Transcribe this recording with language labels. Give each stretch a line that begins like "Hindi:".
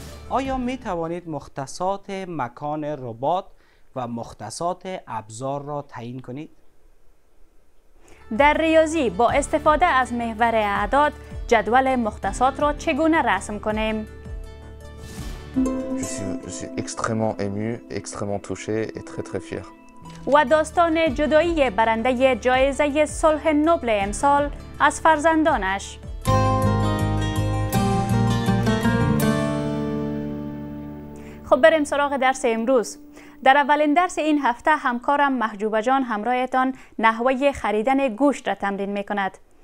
Persian: آیا می توانید مختصات مکان ربات و مختصات ابزار را تعیین کنید؟ در ریاضی با استفاده از محور اعداد جدول مختصات را چگونه رسم کنیم؟
French: Je suis extrêmement ému, extrêmement touché et très très fier.
Persian: و داستان جدایی برنده جایزه صلح نوبل امسال از فرزندانش. خب بریم سراغ درس امروز. در اولین درس این هفته همکارم محجوبه جان همراهتان نحوه خریدن گوشت را تمرین می کند.